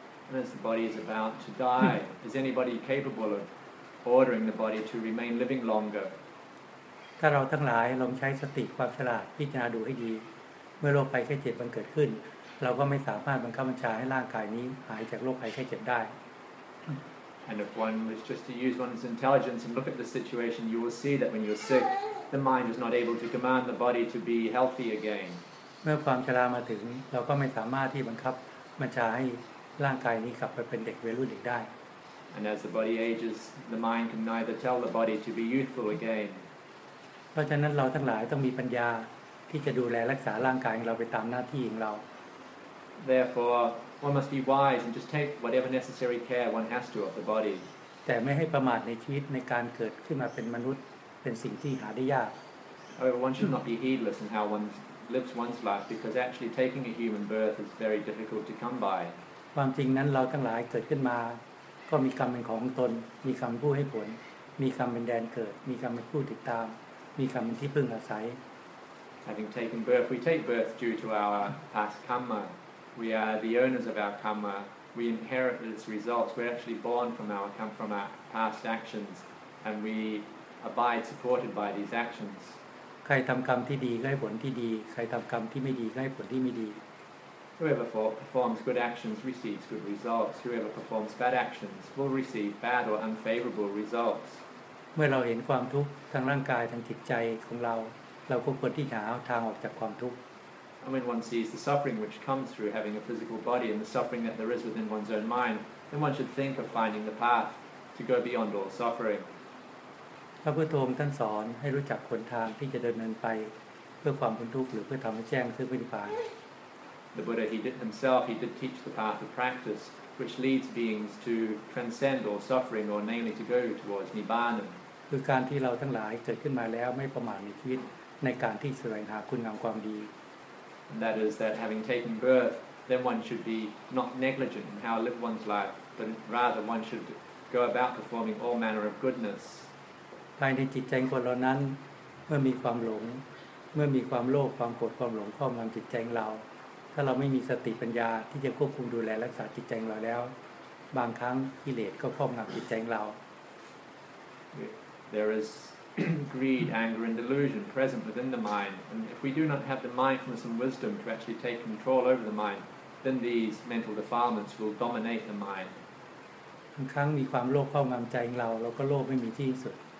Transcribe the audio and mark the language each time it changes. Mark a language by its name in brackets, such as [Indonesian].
[English] And as the body is about to die is anybody capable of ordering the body to remain living longer [Thai] ถ้าเราทั้งหลายลองใช้สติความฉลาดพิจารณาดูให้ดีเมื่อโรคภัยไข้เจ็บมันเกิดขึ้น เราก็ไม่สามารถบังคับบัญชาให้ร่างกายนี้หายจากโรคภัยไข้เจ็บได้ [English] And if one was just to use one's intelligence and look at the situation, you will see that when you're sick, the mind is not able to command the body to be healthy again. [Thai] เมื่อความชรามาถึงเราก็ไม่สามารถที่บังคับบัญชาให้ร่างกายนี้กลับไปเป็นเด็กวัยรุ่นอีกได้ [English] And as the body ages, the mind can neither tell the body to be youthful again. [Thai] เพราะฉะนั้นเราทั้งหลายต้องมีปัญญาที่จะดูแลรักษาร่างกายของเราไปตามหน้าที่ของเรา [English] Therefore, one must be wise and just take whatever necessary care one has to of the body. [Thai] แต่ไม่ให้ประมาทในชีวิตในการเกิดขึ้นมาเป็นมนุษย์เป็นสิ่งที่หาได้ยาก [English] However, one should not be heedless in how one lives one's life because actually taking a human birth is very difficult to come by. [Thai] ความจริงนั้นเราทั้งหลายเกิดขึ้นมาก็มีกรรมเป็นของตนมีกรรมผู้ให้ผลมีกรรมเป็นแดนเกิดมีกรรมเป็นผู้ติดตามมีกรรมเป็นที่พึ่งอาศัย [English] Having taken birth we take birth due to our past karma we are the owners of our karma we inherit its results we're actually born from our come from our past actions and we abide supported by these actions [Thai] ใครทำกรรมที่ดีก็ให้ผลที่ดีใครทำกรรมที่ไม่ดีก็ให้ผลที่ไม่ดี [English] Whoever performs good actions receives good results. Whoever performs bad actions will receive bad or unfavorable results. [Thai] เมื่อเราเห็นความทุกข์ทางร่างกายทางจิตใจของเราเราก็ควรที่จะหาทางออกจากความทุกข์ [English] When one sees the suffering which comes through having a physical body and the suffering that there is within one's own mind, then one should think of finding the path to go beyond all suffering. [Thai] พระพุทธองค์ท่านสอนให้รู้จักหนทางที่จะเดินเนินไปเพื่อความพ้นทุกข์หรือเพื่อทำให้แจ้งซึ่งนิพพาน [English] The Buddha, he did himself, he did teach the path of practice, which leads beings to transcend all suffering, or namely to go towards Nibbana. [Thai] คือการที่เราทั้งหลายเกิดขึ้นมาแล้วไม่ประมาทในชีวิตในการที่แสวงหาคุณงามความดี [English] And that is that having taken birth, then one should be not negligent in how to live one's life, but rather one should go about performing all manner of goodness. [Thai] ภายในจิตใจของเรานั้นเมื่อมีความหลงเมื่อมีความโลภความโกรธความหลงครอบงำจิตใจเราถ้าเราไม่มีสติปัญญาที่จะควบคุมดูแลรักษาจิตใจเราแล้วบางครั้งกิเลสก็ครอบงำจิตใจเรา [English] There is greed, anger, and delusion present within the mind, and if we do not have the mindfulness and wisdom to actually take control over the mind, then these mental defilements will dominate the mind. [Thai] บางครั้งมีความโลภครอบงำใจเราเราก็โลภไม่มีที่สุด